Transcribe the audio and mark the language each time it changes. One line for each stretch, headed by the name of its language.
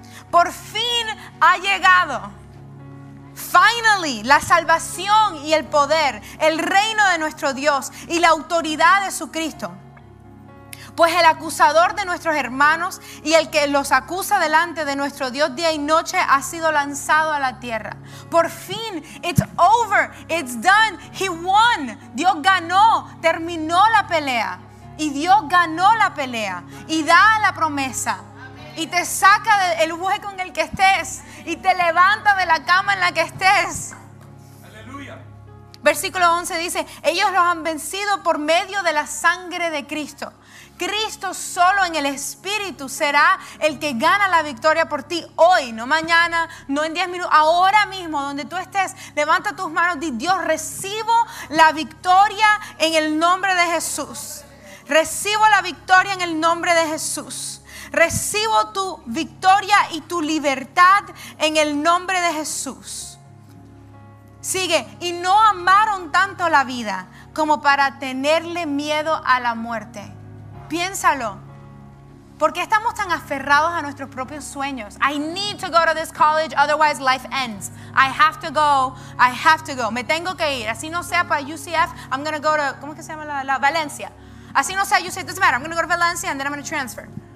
Spanish: Por fin ha llegado.
English: Finally,
Spanish: la salvación y el poder, el reino de nuestro Dios y la autoridad de su Cristo. Pues el acusador de nuestros hermanos y el que los acusa delante de nuestro Dios día y noche ha sido lanzado a la tierra. Por fin,
English: it's over, it's done, he won.
Spanish: Dios ganó, terminó la pelea. Y Dios ganó la pelea y da la promesa. Amén. Y te saca del hueco en el que estés y te levanta de la cama en la que estés. Aleluya. Versículo 11 dice: ellos los han vencido por medio de la sangre de Cristo. Cristo solo en el Espíritu será el que gana la victoria por ti hoy, no mañana, no en 10 minutos, ahora mismo donde tú estés, levanta tus manos y di: Dios, recibo la victoria en el nombre de Jesús. Recibo la victoria en el nombre de Jesús. Recibo tu victoria y tu libertad en el nombre de Jesús. Sigue: y no amaron tanto la vida como para tenerle miedo a la muerte. Piénsalo. ¿Por qué estamos tan aferrados a nuestros propios sueños?
English: I need to go to this college, otherwise life ends. I have to go.
Spanish: Me tengo que ir. Así no sea para UCF,
English: I'm going to go to,
Spanish: ¿cómo es que se llama la Valencia? Así no sea,
English: you say, it doesn't matter, I'm going to go to Valencia and then I'm going to transfer.